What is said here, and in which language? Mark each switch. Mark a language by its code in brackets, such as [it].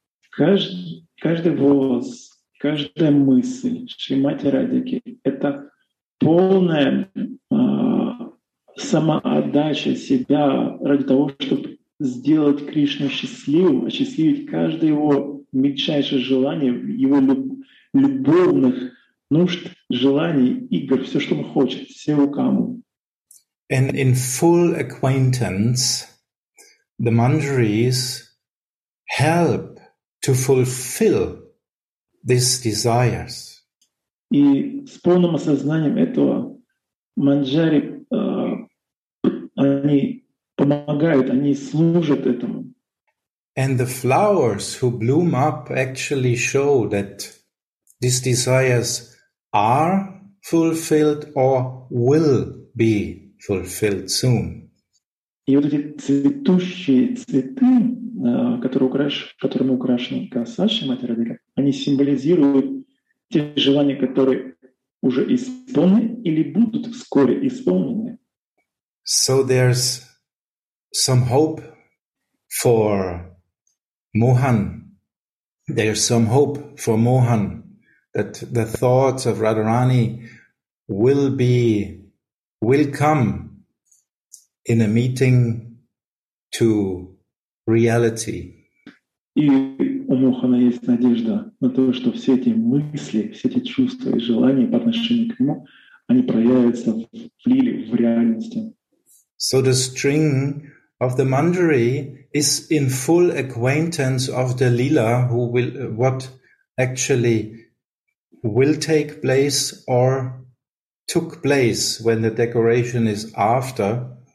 [ru] Каждый волос, каждая мысль Шримати Радхики — это полная самоотдача себя ради того, чтобы сделать Кришну счастливым, осчастливить каждое его мельчайшее желание, его любовных нужд, желаний, игр, все, что он хочет, все его камы. [en] And in full acquaintance, the Manjaris help to fulfill these desires. [ru] И с полным осознанием этого Манджари, они помогают, они служат этому. [en] And the flowers who bloom up actually show that these desires are fulfilled or will be fulfilled soon. [ru] И вот эти цветущие цветы, которыми украшены касаши Мати Радхики, они символизируют те желания, которые уже исполнены или будут вскоре исполнены. [en] So there's some hope for Mohan. There's some hope for Mohan that the thoughts of Radharani will come in a meeting to reality. [ru] И у Мохана есть надежда на то, что все эти мысли, все эти чувства и желания по отношению к нему, они проявятся в лиле, в реальности. [en] So the string of the Manjari is in full acquaintance of the Lila, what actually will take place or took place when the decoration is after.